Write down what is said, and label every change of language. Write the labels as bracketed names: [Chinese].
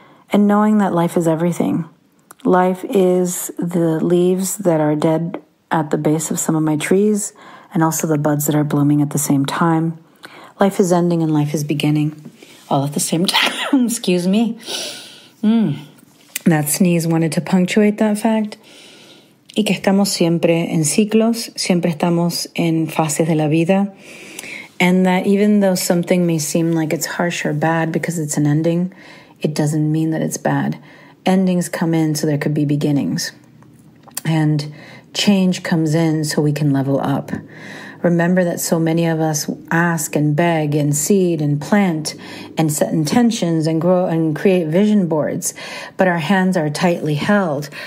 [English] And knowing that life is everything. Life is the leaves that are dead at the base of some of my trees, and also the buds that are blooming at the same time. Life is ending and life is beginning all at the same time. Excuse me. That sneeze wanted to punctuate that fact. [Spanish] Y que estamos siempre en ciclos, siempre estamos en fases de la vida. [English] And that even though something may seem like it's harsh or bad because it's an ending, it doesn't mean that it's bad. Endings come in so there could be beginnings. And change comes in so we can level up. Remember that so many of us ask and beg and seed and plant and set intentions and grow and create vision boards, but our hands are tightly held.